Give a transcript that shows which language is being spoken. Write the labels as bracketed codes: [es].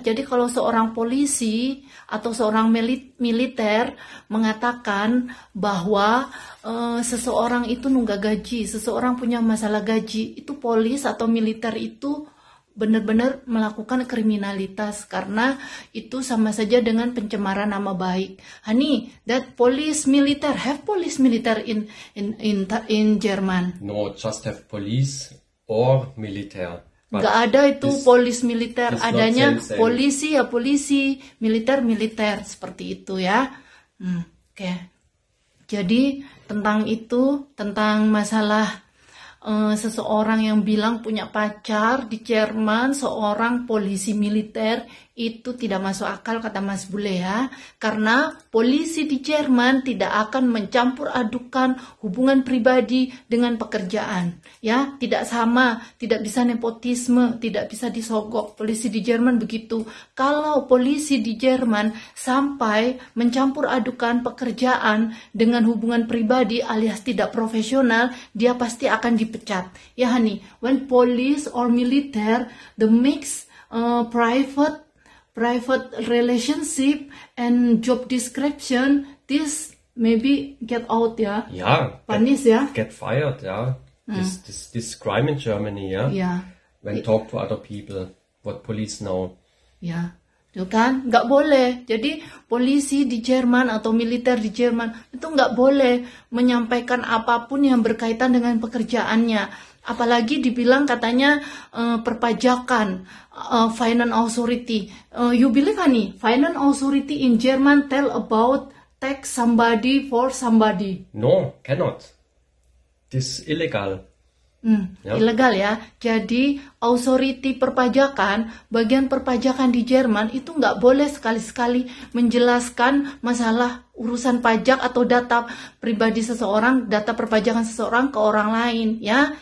[id] Jadi kalau seorang polisi atau seorang militer mengatakan bahwa seseorang itu nunggak gaji, seseorang punya masalah gaji, itu polis atau militer itu benar-benar melakukan kriminalitas karena itu sama saja dengan pencemaran nama baik. [en] Hani, that police militer have police militer in Jerman? No, just have police or militer. [id] Gak ada itu police militer, adanya polisi ya polisi, militer seperti itu ya. Oke. Okay. Jadi tentang itu, tentang masalah seseorang yang bilang punya pacar di Jerman, seorang polisi militer, itu tidak masuk akal kata Mas Bule ya. Karena polisi di Jerman tidak akan mencampur adukan hubungan pribadi dengan pekerjaan. Ya, tidak sama, tidak bisa nepotisme, tidak bisa disogok. Polisi di Jerman begitu. Kalau polisi di Jerman sampai mencampur adukan pekerjaan dengan hubungan pribadi alias tidak profesional, dia pasti akan dipecat. [en] Ya, Hani, when police or militer, the mix private relationship and job description, this maybe get out ya. Yeah, punish ya. Get fired ya. This crime in Germany ya. Yeah. When talk to other people, what police know. Yeah, [id] tuh kan, nggak boleh. Jadi polisi di Jerman atau militer di Jerman itu nggak boleh menyampaikan apapun yang berkaitan dengan pekerjaannya. Apalagi dibilang katanya perpajakan, finance authority. [en] You believe [id] kan nih, [en] finance authority in German tell about tax somebody for somebody? No, cannot. This illegal. Yep. Illegal ya. [id] Jadi authority perpajakan, bagian perpajakan di Jerman itu nggak boleh sekali-sekali menjelaskan masalah urusan pajak atau data pribadi seseorang, data perpajakan seseorang ke orang lain ya.